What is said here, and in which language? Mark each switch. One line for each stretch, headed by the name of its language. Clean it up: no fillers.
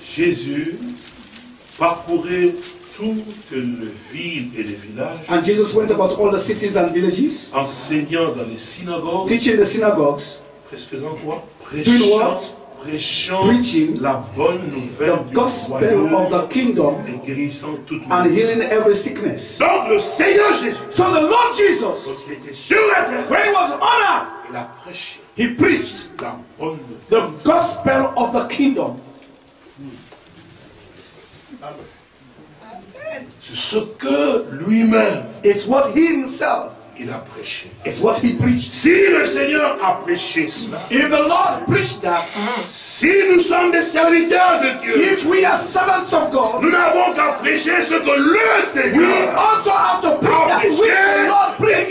French: Jésus parcourait toutes les villes et les villages.
English: And Jesus went about all the cities and villages.
French: Enseignant dans les synagogues.
English: Teaching the synagogues.
French: Faisant quoi?
English: Prêchant. Doing what?
French: Preaching la bonne nouvelle,
English: the gospel of the kingdom,
French: et guérissant toute
English: maladie, and healing every sickness.
French: Donc le Seigneur Jésus,
English: so the Lord Jesus,
French: lorsqu'il était sur la terre,
English: when he was on earth,
French: il a prêché,
English: he preached
French: la bonne nouvelle,
English: the gospel of the kingdom.
French: C'est ce que lui-même,
English: it's what he himself.
French: Il a prêché.
English: It's what he preached.
French: Si le Seigneur a prêché cela.
English: If the Lord preached that.
French: Si nous sommes des serviteurs de Dieu.
English: If we are servants of God.
French: Nous n'avons qu'à prêcher ce que le Seigneur.
English: We also have to preach that which the Lord preached.